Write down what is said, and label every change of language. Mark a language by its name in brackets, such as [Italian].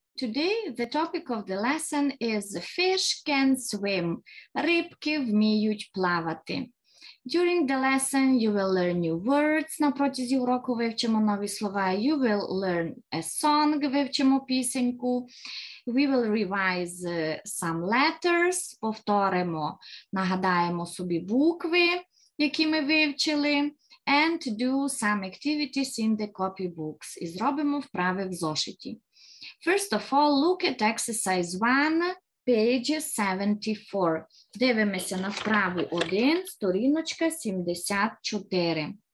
[English] Today the topic of the lesson is fish can swim. [Ukrainian] Рыбки вміють плавати. [English] During the lesson you will learn new words. [Ukrainian] На протязі уроку вивчимо нові слова. [English] You will learn a song. [Ukrainian] Вивчимо пісеньку. [English] We will revise some letters. [Ukrainian] Повторимо, нагадаємо собі букви, які ми вивчили. [English] And do some activities in the copy books. [Ukrainian] І зробимо вправи в зошиті. [English] First of all, look at exercise 1, page 74. [Ukrainian] Дивимося на вправу 1, сторіночка 74.